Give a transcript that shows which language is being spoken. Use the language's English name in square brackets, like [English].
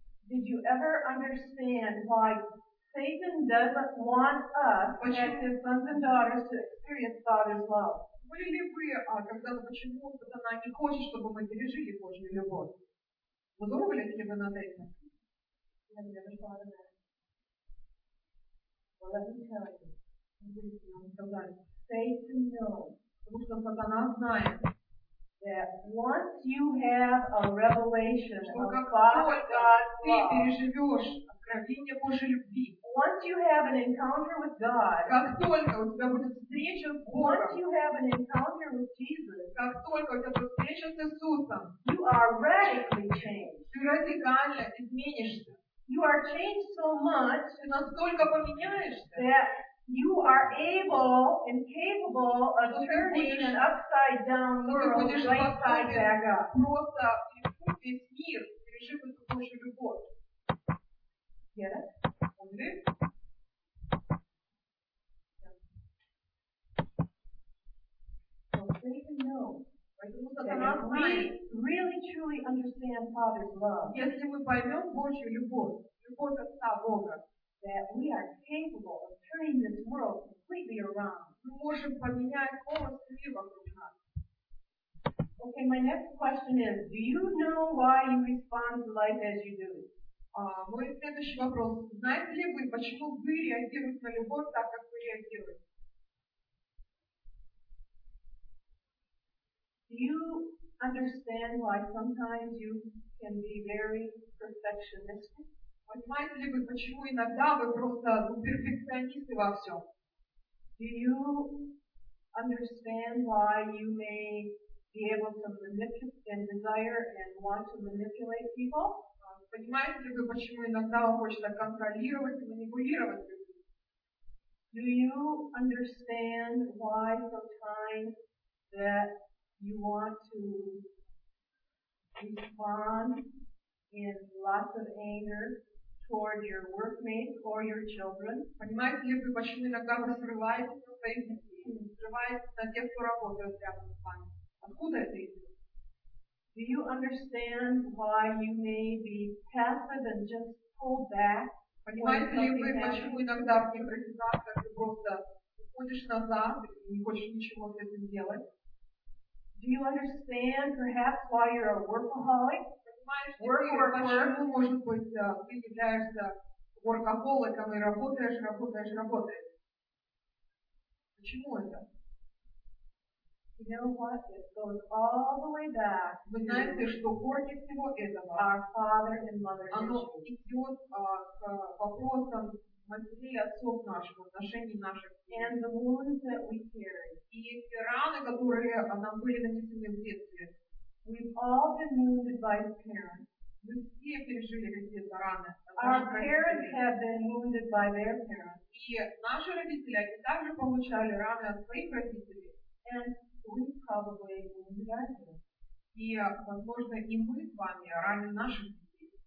[English] Did you ever understand why Satan doesn't want us, as his sons and daughters, to experience Father's love? [Russian] Были ли вы когда-то, почему сатана не хочет, чтобы мы пережили Божью любовь? Задумывались ли вы над этим? [English] Well, let me tell you, Satan knows, [Russian] потому что сатана знает, [English] that once you have a revelation of God's love, once you have an encounter with God, [Russian] как только у тебя будет встреча с Богом, [English] once you have an encounter with Jesus, [Russian] как только у тебя будет встреча с Иисусом, [English] you are radically changed. [Russian] Ты радикально изменишься. [English] You are changed so much, [Russian] ты настолько поменяешься, [English] that you are able and capable of turning an upside down world right side back up. [Russian] Просто весь мир пережив эту Божью любовь. [English] Get it? [Russian] Поняли? [English] So Satan knows. [Russian] Поэтому [English] сатана really truly understand Father's love. [Russian] Если мы поймем Божью любовь, любовь Отца Бога, [English] that we are capable of turning this world completely around. [Russian] Мы можем поменять полностью мир вокруг нас. [English] Okay, my next question is, do you know why you respond to life as you do? [Russian] Мой следующий вопрос. Знаете ли вы, почему вы реагируете на любовь так, как вы реагируете? [English] Do you understand why sometimes you can be very perfectionistic? [Russian] Понимаете ли вы, почему иногда вы просто перфекционисты во всем? [English] Do you understand why you may be able to manipulate and desire and want to manipulate people? [Russian] Понимаете ли вы, почему иногда вам хочется контролировать и манипулировать людей? [English] Do you understand why sometimes that you want to respond is lots of anger toward your workmates or your children. [Russian] Понимаете, если мужчина иногда срывается на тех, кто работает рядом с вами, откуда это идет? [English] Do you understand why you may be passive and just pull back? [Russian] Понимаете ли вы, почему иногда в импровизациях ты просто уходишь назад и не хочешь ничего с этим делать? [English] Do you understand perhaps why you're a workaholic? [Russian] Почему, может быть, ты являешься workaholic'ом и работаешь? Почему это? [English] You know what? It goes all the way back. [Russian] Вы знаете, что корни всего этого? [English] Our father and mother. [Russian] Оно идет к вопросам матери и отцов нашего, отношений наших. [English] And the wounds that we carry. [Russian] И эти раны, которые нам были нанесены в детстве. [English] We've all been wounded by parents. [Russian] Мы все пережили какие-то раны. [English] Our parents have been wounded by their parents. [Russian] И наши родители, они также получали раны от своих родителей. [English] And we probably wounded our parents. [Russian] И, возможно, и мы с вами ранены наших детей.